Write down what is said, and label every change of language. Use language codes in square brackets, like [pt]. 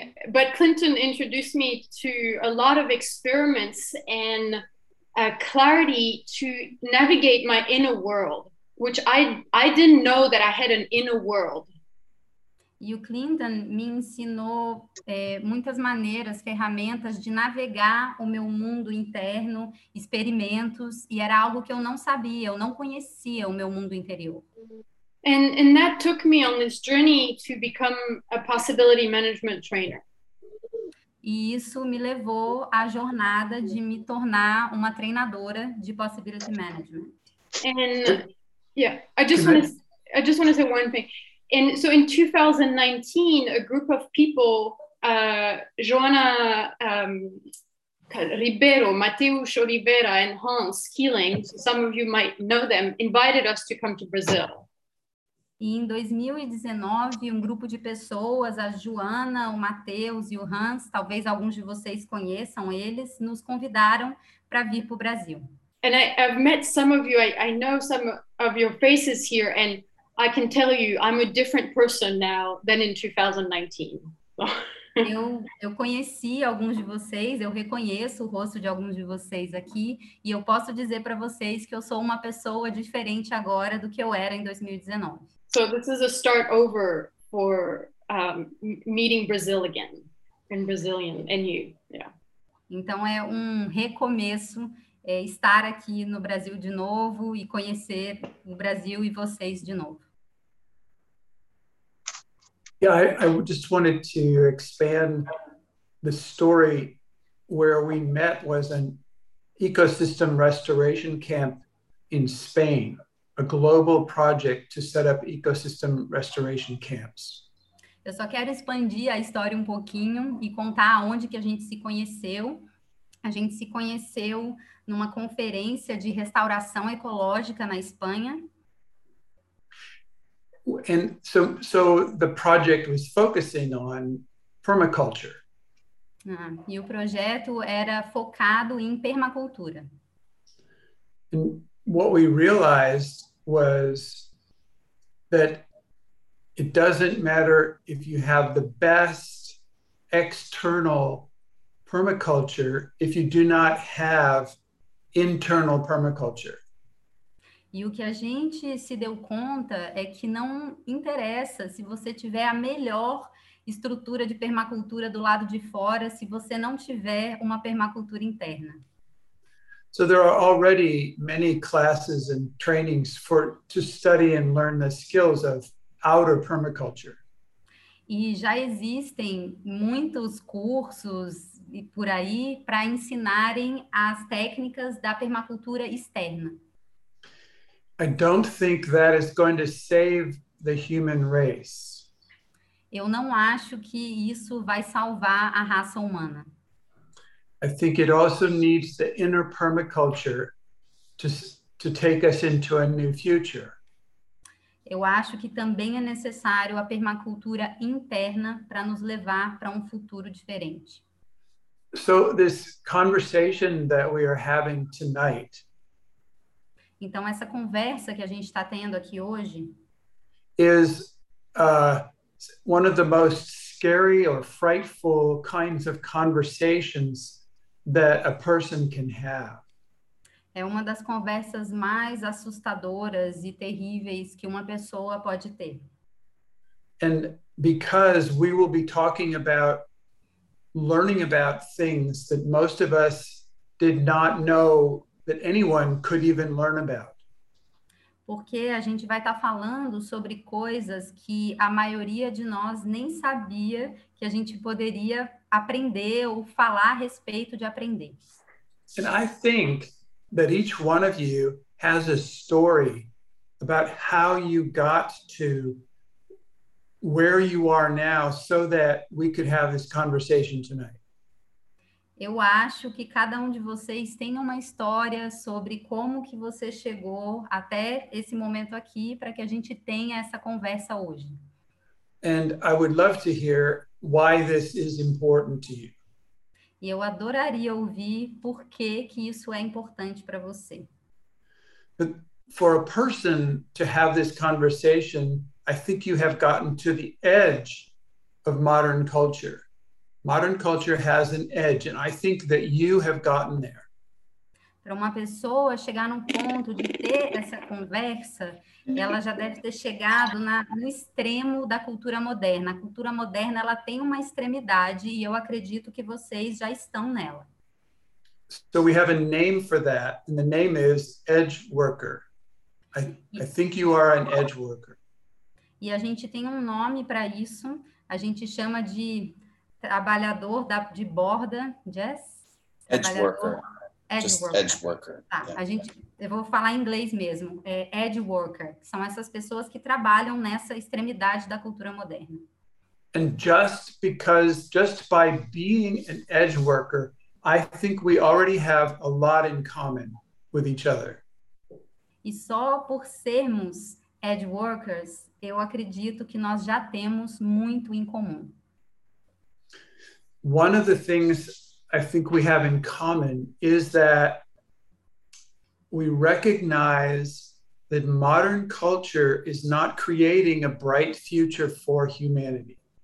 [en] But Clinton introduced me to a lot of experiments and clarity to navigate my inner world, which I didn't know that I had an inner world. [pt] E o Clinton me ensinou muitas maneiras, ferramentas de navegar o meu mundo interno, experimentos, e era algo que eu não sabia, eu não conhecia o meu mundo interior. [en] And that took me on this journey to become a possibility management trainer. [pt] E isso me levou à jornada de me tornar uma treinadora de possibility management. [en] And yeah, I just want to say one thing. And so in 2019, a group of people, Joana Ribeiro, Mateus Oliveira, and Hans Keeling, so some of you might know them, invited us to come to Brazil. [pt] E em 2019, um grupo de pessoas, a Joana, o Mateus e o Hans, talvez alguns de vocês conheçam eles, nos convidaram para vir para o Brasil. [en] And I've met some of you, I know some of your faces here, and I can tell you I'm a different person now than in 2019. [pt] Eu conheci alguns de vocês, eu reconheço o rosto de alguns de vocês aqui, e eu posso dizer para vocês que eu sou uma pessoa diferente agora do que eu era em 2019. [en] So this is a start over for meeting Brazil again, and Brazilian, and you, yeah. [pt] Então, é um recomeço, estar aqui no Brasil de novo e conhecer o Brasil e vocês de novo. [en] Yeah, I just wanted to expand the story. Where we met was an ecosystem restoration camp in Spain. a global project to set up ecosystem restoration camps. [pt] Eu só quero expandir a história um pouquinho e contar aonde que a gente se conheceu. A gente se conheceu numa conferência de restauração ecológica na Espanha. [en] And so the project was focusing on permaculture. [pt] E o projeto era focado em permacultura. [en] And what we realized was that it doesn't matter if you have the best external permaculture if you do not have internal permaculture. [pt] E o que a gente se deu conta é que não interessa se você tiver a melhor estrutura de permacultura do lado de fora, se você não tiver uma permacultura interna. [en] So there are already many classes and trainings for to study and learn the skills of outer permaculture. [pt] E já existem muitos cursos e por aí para ensinarem as técnicas da permacultura externa. [en] I don't think that is going to save the human race. [pt] Eu não acho que isso vai salvar a raça humana. [en] I think it also needs the inner permaculture to take us into a new future. [pt] Eu acho que também é necessário a permacultura interna para nos levar para um futuro diferente. [en] So this conversation that we are having tonight. [pt] Então essa conversa que a gente está tendo aqui hoje [en] is one of the most scary or frightful kinds of conversations that a person can have. [pt] É uma das conversas mais assustadoras e terríveis que uma pessoa pode ter. [en] And because we will be talking about learning about things that most of us did not know that anyone could even learn about. [pt] Porque a gente vai estar falando sobre coisas que a maioria de nós nem sabia que a gente poderia aprender ou falar a respeito de aprender. [en] And I think that each one of you has a story about how you got to where you are now so that we could have this conversation tonight. [pt] Eu acho que cada de vocês tem uma história sobre como que você chegou até esse momento aqui para que a gente tenha essa conversa hoje. [en] And I would love to hear why this is important to you. [pt] E eu adoraria ouvir por que que isso é importante para você. [en] But for a person to have this conversation, I think you have gotten to the edge of modern culture. Modern culture has an edge, and I think that you have gotten there. [pt] Para uma pessoa chegar num ponto de ter essa conversa, ela já deve ter chegado no extremo da cultura moderna. A cultura moderna, ela tem uma extremidade e eu acredito que vocês já estão nela. [en] So we have a name for that, and the name is edge worker. I think you are an edge worker. [pt] E a gente tem um nome para isso. A gente chama de trabalhador de borda, Jess? [en] Edge worker. Edge worker. [pt] Tá, eu vou falar em inglês mesmo. É edge worker. São essas pessoas que trabalham nessa extremidade da cultura moderna. [en] And just by being an edge worker, I think we already have a lot in common with each other. [pt] E só por sermos edge workers, eu acredito que nós já temos muito em comum. [en] One of the things I think we have in common is that we recognize that modern culture is not creating a bright future for humanity.